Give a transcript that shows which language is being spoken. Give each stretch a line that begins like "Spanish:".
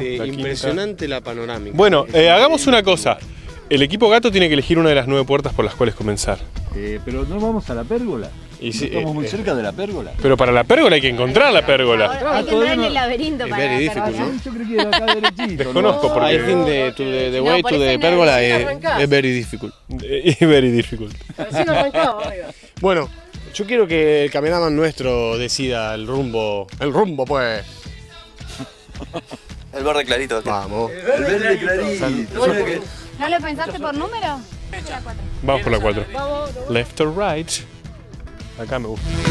Spanish: Impresionante la panorámica. Bueno, hagamos una cosa. El equipo gato tiene que elegir una de las nueve puertas por las cuales comenzar. Pero no vamos a la pérgola. Y si, estamos muy cerca de la pérgola. Pero para la pérgola hay que encontrar la pérgola. Hay que entrar en el laberinto para la pérgola. Yo creo que acá derechito. Desconozco, ¿no? Porque...
English: I think the way to the pérgola es very difficult. Es very difficult.
Spanish: Pero si no arrancamos, oiga. Bueno, yo quiero que el cameraman nuestro decida el rumbo. El rumbo, pues. El verde clarito. Tío. Vamos. El verde clarito. ¿No lo pensaste por número? Vamos por la 4.
English: Left or right.
Spanish: Acá me gusta.